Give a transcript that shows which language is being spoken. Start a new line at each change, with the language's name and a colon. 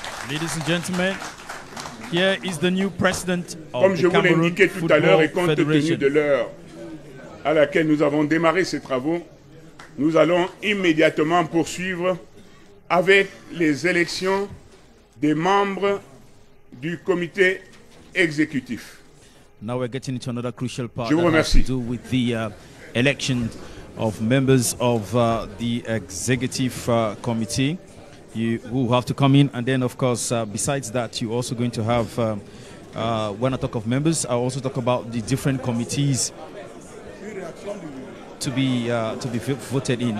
English: Ladies and gentlemen, here is the new president of the
French: Comme je vous l'ai indiqué tout à l'heure, et compte tenu de l'heure à laquelle nous avons démarré ces travaux, nous allons immédiatement poursuivre avec les élections des membres du comité exécutif.
English: Now we're getting into another crucial part.
French: Je vous remercie.
English: That has to do with the election of members of the executive committee. You will have to come in, and then of course besides that, you're also going to have when I talk of members, I also talk about the different committees to be voted in.